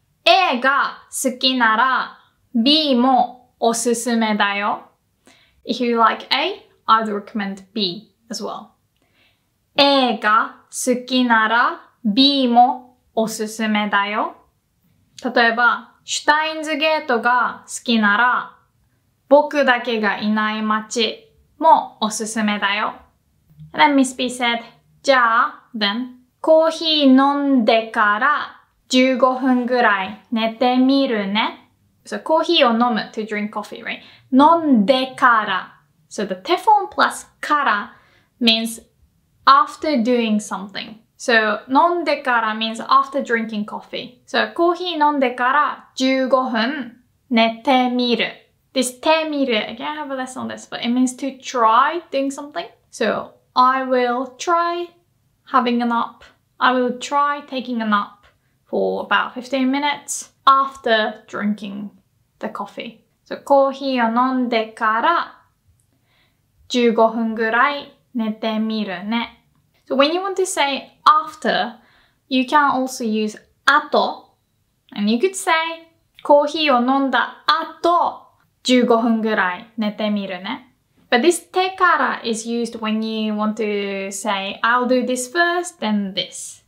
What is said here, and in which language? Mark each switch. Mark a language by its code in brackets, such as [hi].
[ja] A が好きなら B もおすすめだよ. [en] If you like A, I'd recommend B as well. [ja] A が好きなら B もおすすめだよ。例えば、シュタインズゲートが好きなら、僕だけがいない街もおすすめだよ。 [en] Then MisB said, [ja] じゃあ、 [en] then? [ja] コーヒー飲んでから15分ぐらい寝てみるね。 [en] So, [ja] コーヒーを飲む [en] to drink coffee, right? [ja] 飲んでから。 [en] So, the te form plus から means after doing something. So, [ja] 飲んでから [en] means after drinking coffee. So, [ja] コーヒー飲んでから15分寝てみる。 [en] This te miru, again, I have a lesson on this, but it means to try doing something. So, I will try having a nap. I will try taking a nap for about 15 minutes after drinking the coffee. So, [ja] コーヒーを飲んでから15分ぐらい寝てみるね。 [en] So, when you want to say after, you can also use あと. And you could say, [ja] コーヒーを飲んだあと15分ぐらい寝てみるね。 [en] But this てから is used when you want to say, I'll do this first, then this.